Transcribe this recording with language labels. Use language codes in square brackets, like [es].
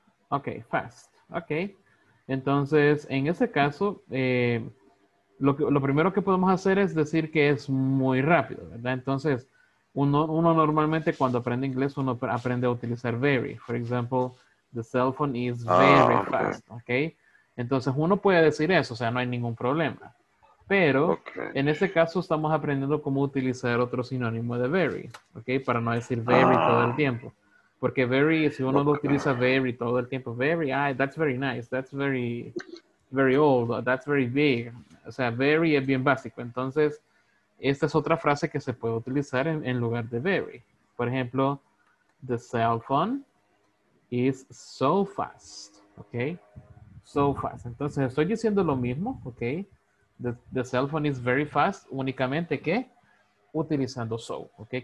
[en] Okay, fast. Okay. [es] Entonces, en ese caso, lo primero que podemos hacer es decir que es muy rápido, ¿verdad? Entonces, uno normalmente cuando aprende inglés, uno aprende a utilizar very. [en] For example, the cell phone is very fast. Okay. [es] Entonces, uno puede decir eso, o sea, no hay ningún problema. Pero, en este caso, estamos aprendiendo cómo utilizar otro sinónimo de very. Okay. Para no decir very todo el tiempo. Porque very, si uno lo utiliza very todo el tiempo, [en] very, that's very nice, that's very, very old, that's very big. [es] O sea, very es bien básico. Entonces, esta es otra frase que se puede utilizar en lugar de very. Por ejemplo, [en] the cell phone is so fast. Okay? So fast. [es] Entonces, estoy diciendo lo mismo, [en] okay? The cell phone is very fast, [es] únicamente que utilizando [en] so, okay?